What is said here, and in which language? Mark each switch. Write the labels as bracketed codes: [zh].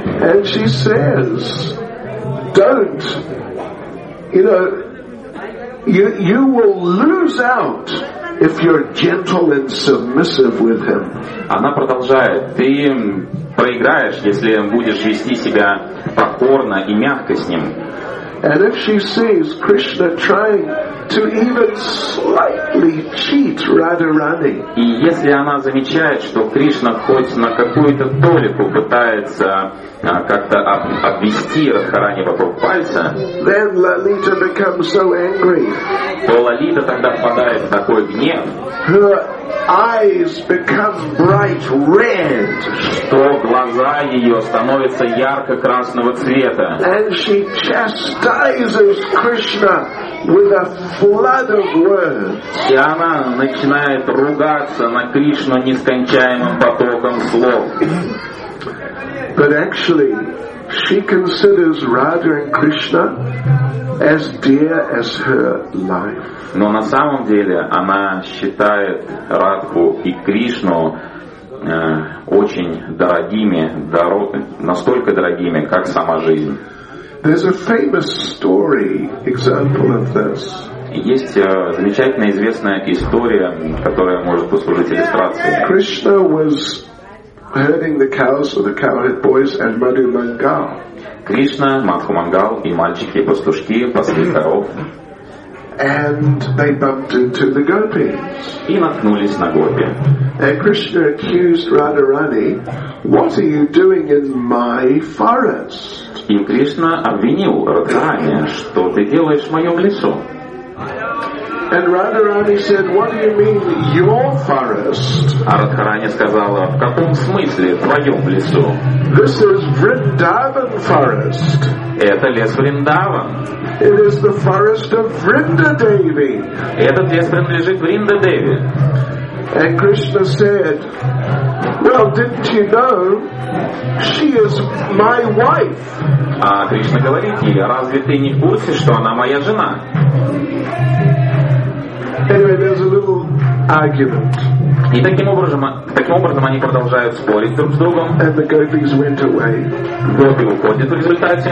[en] And she says, don't, you know, you will lose out if you're gentle and submissive with him. [ru] Она продолжает, ты проиграешь, если будешь вести себя покорно и мягко с ним. [en] And if she sees Krishna trying to even slightly cheat Radharani. [ru] И если она замечает, что Кришна хоть на какую-то толику пытается как-то обвести Радхарани вокруг пальца, [en] then Lalita becomes so angry. [ru] То Лолита тогда впадает в такой гнев. [en] Her eyes become bright red. [ru] Что глаза ее становятся ярко-красного цвета. [en] And she chastises Krishna with a flood of words. [ru] И она начинает ругаться на Кришну нескончаемым потоком слов. [en] But actually, she considers Radha and Krishna as dear as her life. [ru] Но на самом деле она считает Радху и Кришну очень дорогими, настолько дорогими, как сама жизнь. [en] There's a famous story example of this. [ru] Есть замечательная известная история, которая может послужить иллюстрацией. [en] Krishna was herding the cows with the cowherd boys and Madhu Mangal. [ru] Кришна, Мадху Мангал и мальчики пастушки пасли коров. [en] And they bumped into the gopis. [ru] И наткнулись на гопи. [en] And Krishna accused Radharani, "What are you doing in my forest?" [ru] И Кришна обвинил Радхарани, что ты делаешь в моем лесу. [en] And Radharani said, "What do you mean, your forest?" [ru] А Радхарани сказала, в каком смысле в твоем лесу? [en] This is Vrindavan forest. [ru] Это лес Вриндаван. [en] It is the forest of Vrindadevi. [ru] Этот лес принадлежит Вриндадеви. [en] And Krishna said, "Well, didn't you know she is my wife?" [ru] А Кришна говорит ей, разве ты не в курсе, что она моя жена? [en] Anyway, there's a little argument. [ru] И таким образом они продолжают спорить друг с другом. [en] And the gopis went away. [ru] Гопи уходят в результате.